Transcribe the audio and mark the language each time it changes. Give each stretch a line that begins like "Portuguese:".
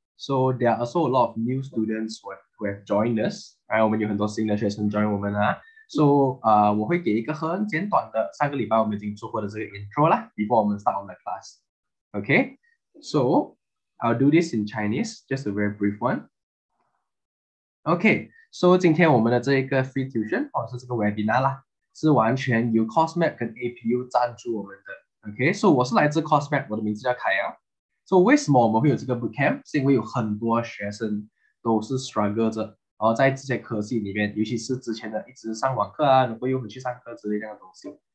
English: So there are also a lot of new students who have joined us.
Chinese: 我们有很多新的学生 join 我们 啊.So 我会给一个很简短的 上个礼拜我们已经做过的这个 intro 啦, before 我们 start 我们的 class.
English: Okay, so I'll do this in Chinese, just a very brief one.
Chinese: Okay, so 今天我们的这个 free tuition 或者是这个 webinar 啦, 是完全由 Cosmap 跟 APU 赞助我们的。 Okay, so 我是来自 Cosmap, 我的名字叫凯阳。So 为什么我们会有这个 bootcamp? 是因为有很多学生都是 struggle 着，然后在这些科系里面， 尤其是之前的一直上网课啊， 如果又回去上课之类的东西。